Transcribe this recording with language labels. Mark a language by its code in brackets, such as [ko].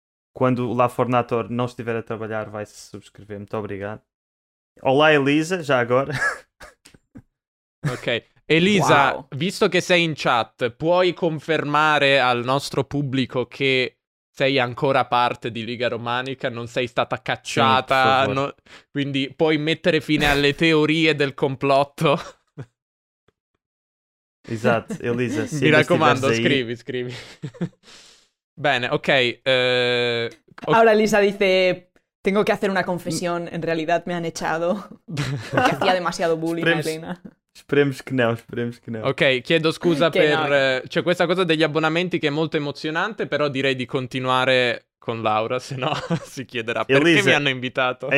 [pt] Quando La Fornator não estiver a trabalhar, vai se subscrever. Muito obrigado. Olá, Elisa, já agora. Ok. [it] Elisa, visto che sei in chat, puoi confermare al nostro pubblico che sei ancora parte di Liga Romanica, non sei stata cacciata, no, quindi puoi mettere fine alle teorie del complotto? Esatto, Elisa. Mi raccomando, scrivi. Bene, ok. Ora Elisa dice, [es] tengo che hacer una confesión, en realidad me han echado, que hacía demasiado bullying a Elena. [it] Speriamo che no. Ok, chiedo scusa per... No. C'è questa cosa degli abbonamenti che è molto emozionante, però direi di continuare con Laura, se no si chiederà Elisa, perché mi hanno invitato.